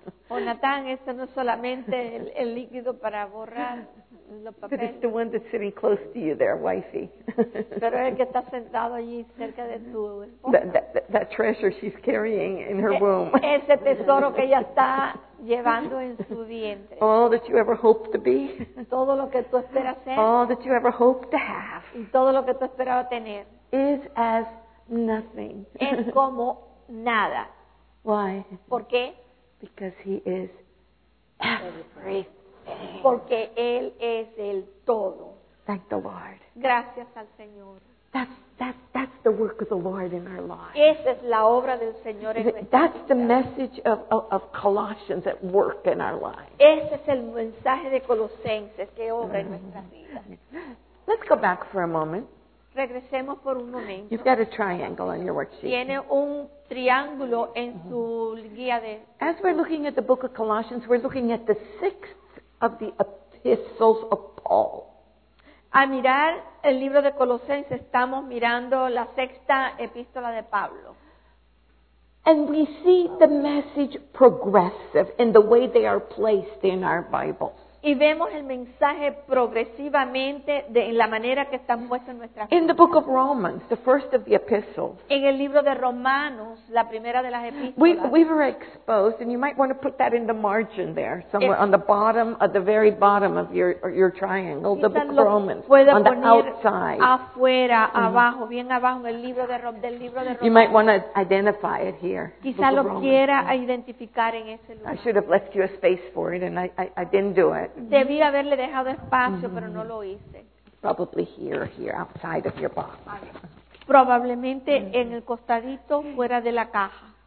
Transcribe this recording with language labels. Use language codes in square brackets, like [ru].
[es] O Nathan, esto no es solamente el líquido para borrar los papeles. [en] But it's the one that's sitting close to you there, wifey. [es] Pero es el que está sentado allí cerca de tu esposa. [en] That treasure she's carrying in her womb. [es] Ese tesoro que ella está llevando en su vientre. [en] All that you ever hoped to be. [es] Todo lo que tú esperas ser. [en] All that you ever hoped to have. [es] Y todo lo que tú esperabas tener. [en] Is as nothing. [es] Es como nada. [en] Why? [es] ¿Por qué? [en] Because he is everything. [es] Porque él es el todo. [en] Thank the Lord. [es] Gracias al Señor. [en] That's the work of the Lord in our lives. [es] Esa es la obra del Señor en nuestra vida. [en] That's the message of Colossians at work in our lives. [es] Ese es el mensaje de Colosenses que obra en nuestra vida. [en] Let's go back for a moment. [es] Regresemos por un momento. [en] You've got a triangle on your worksheet. [es] Tiene un triángulo en su guía de. [en] As we're looking at the book of Colossians, we're looking at the sixth of the epistles of Paul. [es] Al mirar el libro de Colosenses, estamos mirando la sexta epístola de Pablo. [en] And we see the message progressive in the way they are placed in our Bibles. [es] Y vemos el mensaje progresivamente de la manera que están puestos en nuestras [en] Biblias. In the book of Romans, the first of the epistles. [es] En el libro de Romanos, la primera de las epístolas. [en] We were exposed, and you might want to put that in the margin there, somewhere on the bottom, at the very bottom of your triangle, the book of Romans, on the outside. [es] Afuera, abajo, bien abajo, del libro de Romanos. [en] You might want to identify it here. [es] Quizá lo quiera identificar en ese lugar. [en] I should have left you a space for it, and I didn't do it. [es] Debí haberle dejado espacio, pero no lo hice. [en] Probably here, outside of your box. [es] Probablemente en el costadito, fuera de la caja.